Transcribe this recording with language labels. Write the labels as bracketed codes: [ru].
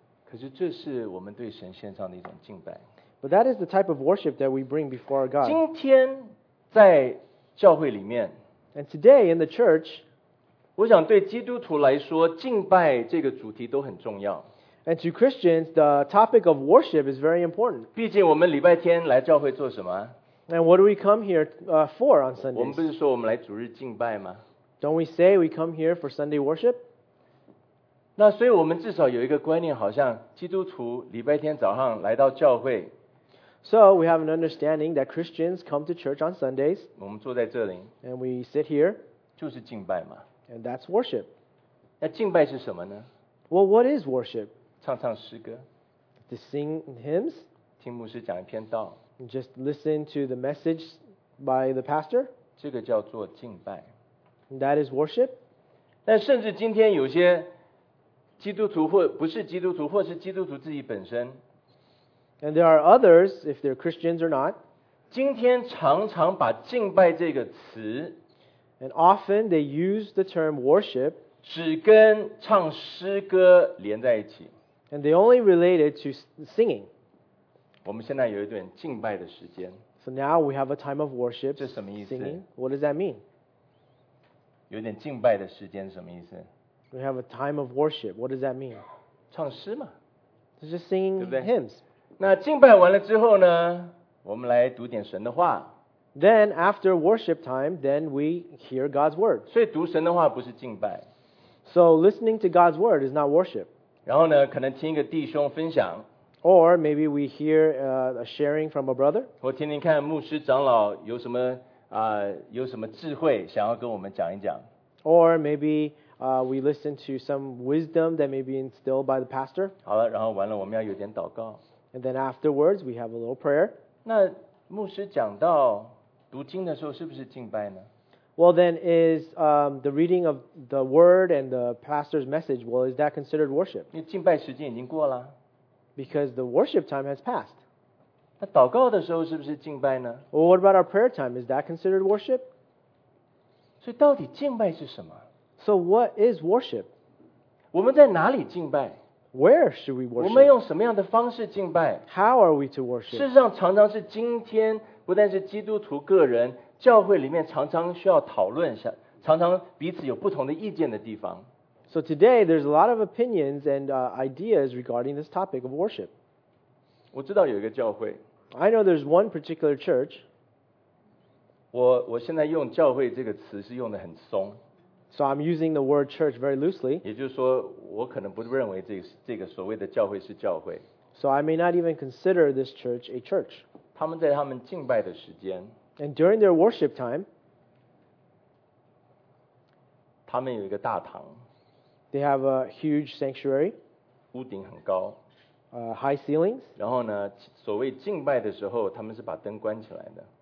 [zh] 可是这是我们对神献上的一种敬拜。 [en] But that is the type of worship that we bring before our God. [zh] 今天在教会里面 [en] And today in the church, [zh] 我想对基督徒来说敬拜这个主题都很重要。 [en] And to Christians, the topic of worship is very important. [zh] 毕竟我们礼拜天来教会做什么 [en] And what do we come here for on Sundays? [zh] 我们不是说我们来主日敬拜吗 [en] Don't we say we come here for Sunday worship? [zh] 那所以我们至少有一个观念好像基督徒礼拜天早上来到教会 [en] So we have an understanding that Christians come to church on Sundays [zh] 我们坐在这里 [en] And we sit here [zh] 就是敬拜嘛 [en] And that's worship [zh] 那敬拜是什么呢 [en] Well, what is worship? [zh] 唱唱诗歌 [en] To sing hymns [zh] 听牧师讲一篇道 [en] Just listen to the message by the pastor. [zh] 这个叫做敬拜。 [en] That is worship. [zh] 但甚至今天有些基督徒或不是基督徒或是基督徒自己本身。 [en] And there are others, if they're Christians or not. [zh] 今天常常把敬拜这个词 [en] And often they use the term worship. [zh] 只跟唱诗歌连在一起。 [en] And they only relate it to singing. [zh] 我们现在有一段敬拜的时间。 [en] So now we have a time of worship. [zh] 这什么意思 [en] singing. What does that mean? [zh] 有点敬拜的时间什么意思 [en] We have a time of worship. What does that mean? [zh] 唱诗嘛。 [en] It's just singing [zh] 对不对 [en] hymns. [zh] 那敬拜完了之后呢我们来读点神的话。 [en] Then after worship time, then we hear God's word. [zh] 所以读神的话不是敬拜。 [en] So listening to God's word is not worship. [zh] 然后呢可能听一个弟兄分享。 [en] Or maybe we hear a sharing from a brother. [zh] 我听听看牧师长老有什么有什么智慧想要跟我们讲一讲。 [en] Or maybe we listen to some wisdom that may be instilled by the pastor. [zh] 好了，然后完了，我们要有点祷告。 [en] And then afterwards we have a little prayer. [zh] 那牧师讲到读经的时候是不是敬拜呢 [en] ？Well, then is the reading of the word and the pastor's message. Well, is that considered worship? [zh] 因为敬拜时间已经过了。 [en] Because the worship time has passed. [zh] 那祷告的时候是不是敬拜呢 [en] Well, what about our prayer time? Is that considered worship? [zh] 所以到底敬拜是什么 [en] So what is worship? [zh] 我们在哪里敬拜？ [en] Where should we worship? [zh] 我们用什么样的方式敬拜？ [en] How are we to worship? [zh] 事实上常常是今天不但是基督徒个人教会里面常常需要讨论下常常彼此有不同的意见的地方。 [en] So today there's a lot of opinions and ideas regarding this topic of worship. [zh] 我知道有一个教会。 [en] I know there's one particular church. [zh] 我现在用教会这个词是用得很松。 [en] So I'm using the word church very loosely. [zh] 也就是说我可能不认为这个所谓的教会是教会。 [en] So I may not even consider this church a church. [zh] 他们在他们敬拜的时间。 [en] And during their worship time, [zh] 他们有一个大堂。 [en] They have a huge sanctuary. [zh] 屋顶很高。 [en] High ceilings. [zh] 然后呢所谓敬拜的时候他们是把灯关起来的。